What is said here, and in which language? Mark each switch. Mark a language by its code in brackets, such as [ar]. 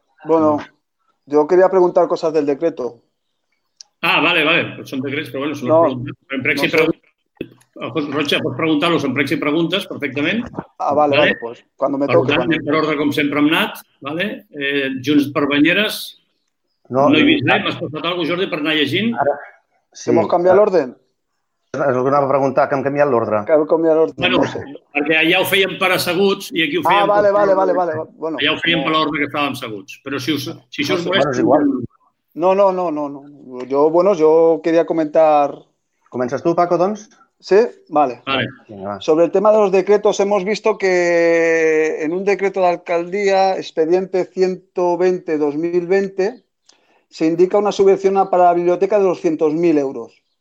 [ca] Bueno, jo quería preguntar coses del decret. [es] Ah, vale, vale. [ca] Són decrets, però bueno, són pregs i preguntes. Rocha, pots preguntar-los en pregs i preguntes perfectament. [es] Ah, vale, vale. Pues, cuando me toque, [ca] tant, per ordre, com sempre hem anat, vale? Junts per Banyeres. No he vist res. M'has passat alguna cosa, Jordi, per anar llegint? Ara. Sí. [es] ¿Hemos cambiado el orden? [ca] És el que anava a preguntar, que hem canviat l'ordre. Que hem canviat l'ordre, bueno, no sé. Perquè allà ho fèiem per asseguts i aquí ho fèiem... Ah, vale, vale, vale, vale. Bueno, allà ho fèiem per l'ordre que estàvem asseguts. Però si, us, si això no, us molesta... Bueno, és igual. No, no, no, no, no. Jo, bueno, jo quería comentar... Comences tu, Paco, doncs? Sí, vale. Vale. [es] Sobre el tema de los decretos, hemos visto que en un decreto de alcaldía, expediente 120-2020, se indica una subvención para la biblioteca de 200.000 euros.